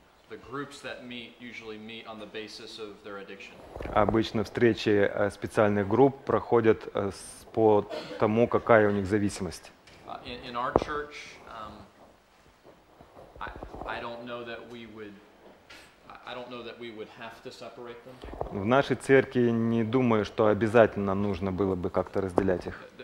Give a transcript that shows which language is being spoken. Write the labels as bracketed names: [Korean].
[English] The groups that meet usually meet on the basis of their addiction. [Russian] Обычно встречи специальных групп проходят по тому, какая у них зависимость. [English] In our church, I don't know that we would have to separate them. [Russian] В нашей церкви не думаю, что обязательно нужно было бы как-то разделять их.